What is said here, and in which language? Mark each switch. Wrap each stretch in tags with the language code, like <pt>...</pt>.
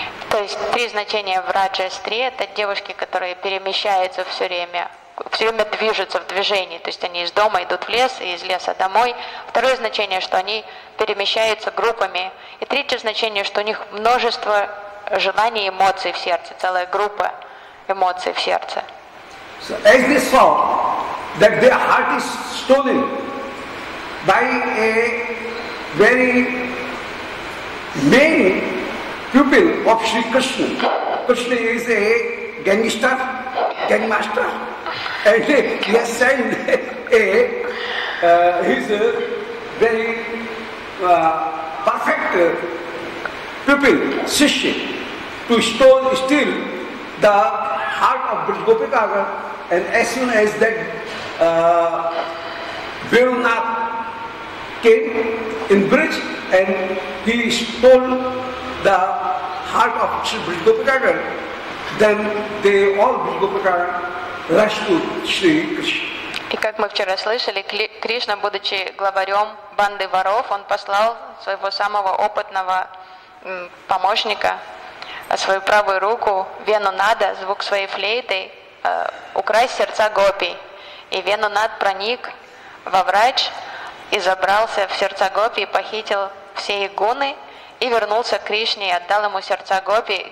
<ru>То есть три значения в раджастри это девушки, которые перемещаются все время движутся в движении, то есть они из дома идут в лес и из леса домой. Второе значение, что они перемещаются группами. И третье значение, что у них множество желаний и эмоций в сердце, целая группа эмоций в сердце.</ru> <en>So as they saw that their heart is stolen by a very main pupil of Shri Krishna. Krishna is a gangster, gang master, and he has sent his very perfect pupil, Shishya, to steal the heart of Vrij Gopikaga. And as soon as that Virunath came in bridge and he stole the heart of Sri Brij Gopikakar. Then they all Brij Gopikakar rushed to Sri Krishna.</en> <ru>И как мы вчера слышали, Кришна, будучи главарем банды воров, он послал своего самого опытного помощника, свою правую руку, Венунада, звук своей флейты, украсть сердца гопи. И Венунад проник во врач и забрался в сердца гопи, похитил все их гуны и вернулся к Кришне и отдал ему сердца гопи.</ru>